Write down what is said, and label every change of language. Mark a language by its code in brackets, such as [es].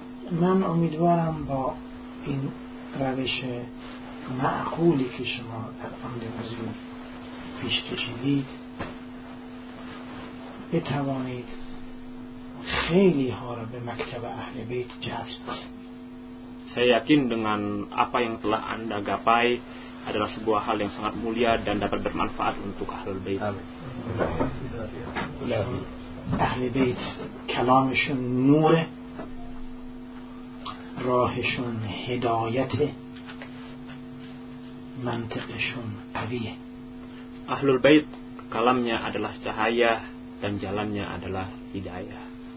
[fa] من امیدوارم با این روش معقولی که شما در عمل روزی پیش کشیدید بتوانید خیلی ها را به مکتب اهل بیت جذب کنید. [id] Saya yakin dengan apa yang telah Anda gapai adalah sebuah hal yang sangat mulia dan dapat bermanfaat untuk Ahlul Bait. [fa] اهل بیت کلامشون نوره، راهشون هدایت، منطقشون قویه. [id] Ahlul Bait kalamnya adalah cahaya dan jalannya adalah hidayah.